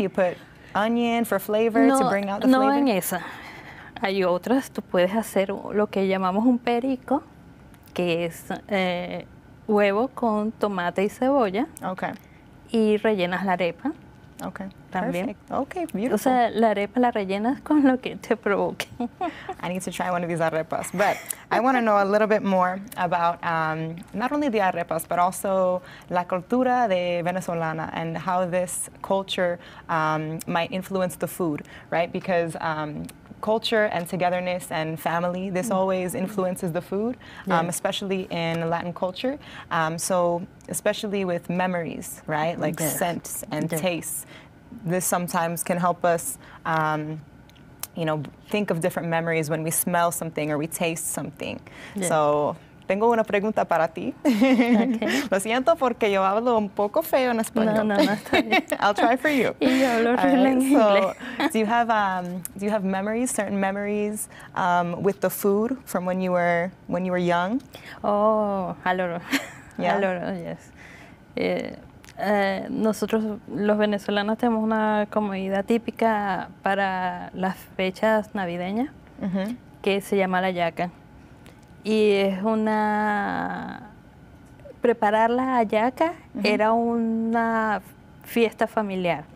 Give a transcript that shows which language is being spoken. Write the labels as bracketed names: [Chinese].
[English] You put onion for flavor to bring out the flavor. [Spanish] No en esa. Hay otras, tú puedes hacer lo que llamamos un perico, que es huevo con tomate y cebolla. [English] Okay. [Spanish] Y rellenas la arepa. [English] Okay. [Spanish] También. [English] Perfect. Okay, beautiful. [Spanish] O sea, la arepa la rellenas con lo que te provoque. [English] I need to try one of these arepas. But I want to know a little bit more about not only the arepas, but also [Spanish] la cultura de Venezolana [English] and how this culture might influence the food, right? Because culture and togetherness and family, this always influences the food, yeah. Especially in Latin culture. So especially with memories, right? Like scents and tastes. This sometimes can help us, think of different memories when we smell something or we taste something. Yeah. So, [Spanish] tengo una pregunta para ti. [English] Okay. [Spanish] Lo siento porque yo hablo un poco feo en español. No, está bien. [English] I'll try for you. [Spanish] Y yo hablo real en inglés. [English] So, do you have memories, certain memories with the food from when you were young? Oh, aloro. Yeah. Aloro, yes. [Spanish] Nosotros los venezolanos tenemos una comida típica para las fechas navideñas, mm-hmm, que se llama la hallaca. Y es una... Preparar la hallaca, mm-hmm, era una fiesta familiar.